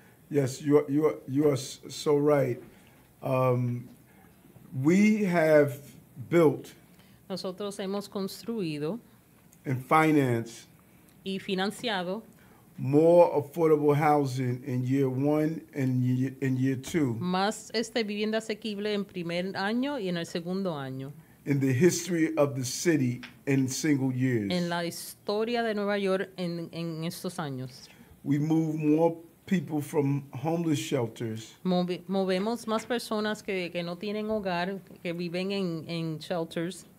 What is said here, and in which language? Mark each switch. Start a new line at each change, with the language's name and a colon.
English: Yes, you are so right. We have built.
Spanish: Nosotros hemos construido.
English: And financed.
Spanish: Y financiado.
English: More affordable housing in year one and in year two.
Spanish: Más este vivienda asequible en primer año y en el segundo año.
English: In the history of the city in single years.
Spanish: En la historia de Nueva York en estos años.
English: We move more people from homeless shelters.
Spanish: Movemos más personas que no tienen hogar, que viven en shelters.